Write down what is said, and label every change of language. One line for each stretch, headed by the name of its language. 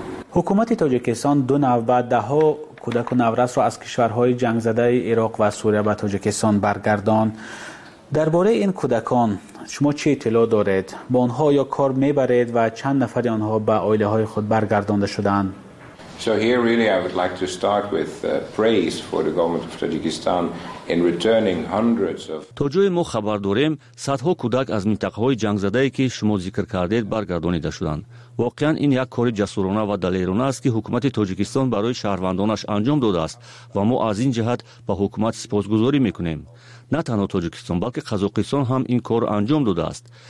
Persian: حکومت تاجیکستان دو نوبت ده‌ها کودک و نورس را از کشورهای جنگ زده عراق و سوریه به تاجیکستان برگردان. درباره این کودکان شما چه اطلاع دارید؟ با آنها یا کار میبرید و چند نفر آنها به آیله های خود برگردانده شدند؟
English: So here really I would like to start with praise for the government of Tajikistan in returning hundreds of
Persian: تو جوی مو خبر داریم صدها کودک از منطقه های جنگ زده ای که شما ذکر کردید برگردانیده شدند. واقعا این یک کار جسورانه و دلیرانه است که حکومت تاجیکستان برای شهروندانش انجام داده است و ما از این جهت به حکومت سپاسگزاری میکنیم. نه تنها تاجیکستان بلکه قزاقستان هم این کار انجام داده است.